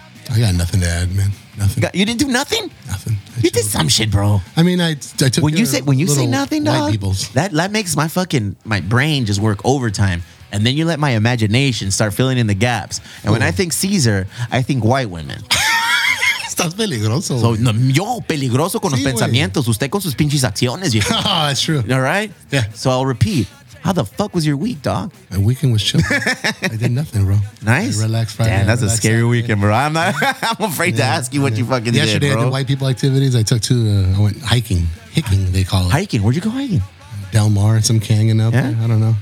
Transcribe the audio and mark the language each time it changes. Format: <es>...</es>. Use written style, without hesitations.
<en>I got nothing to add, man. Nothing. You didn't do nothing? Nothing. You did some shit, bro. I mean, I took when you say nothing, dog, white people's. That makes my fucking my brain just work overtime. And then you let my imagination start filling in the gaps. And when I think Caesar, I think white women.</en> <es>Estás peligroso. So, no, yo peligroso con los pensamientos. Usted con sus pinches acciones.</es> <en>Oh, that's true. All right? Yeah. So I'll repeat. How the fuck was your week, dog? My weekend was chill. I did nothing, bro. Nice. I relaxed Friday. Damn, that's a scary Saturday. Weekend, bro. I'm afraid to ask you what you fucking yesterday did, bro. Yesterday, the white people activities, I took to, I went hiking. Hiking, they call it. Hiking? Where'd you go hiking? Del Mar, some canyon out there. I don't know.</en>